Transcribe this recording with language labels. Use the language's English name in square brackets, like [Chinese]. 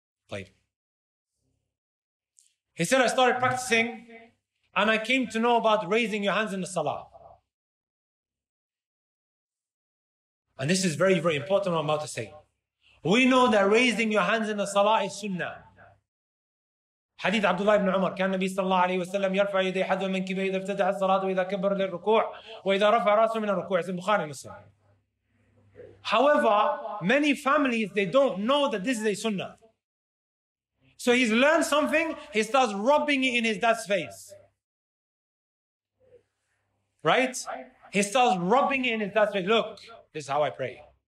[English] Like, he said, I started practicing and I came to know about raising your hands in the salah. And this is very, very important what I'm about to say. We know that raising your hands in the salah is sunnah. [Arabic] Hadith Abdullah ibn Umar, كان النبي صلى الله عليه وسلم يرفع يديه حذو من كبه إذا ابتدع الصلاة وإذا كبر للركوع وإذا رفع رأسه من الركوع. [English] It's in Bukhari Muslim. However, many families, they don't know that this is a sunnah. So he's learned something, he starts rubbing it in his dad's face. Right? He starts rubbing it in his dad's face. Look, this is how I pray.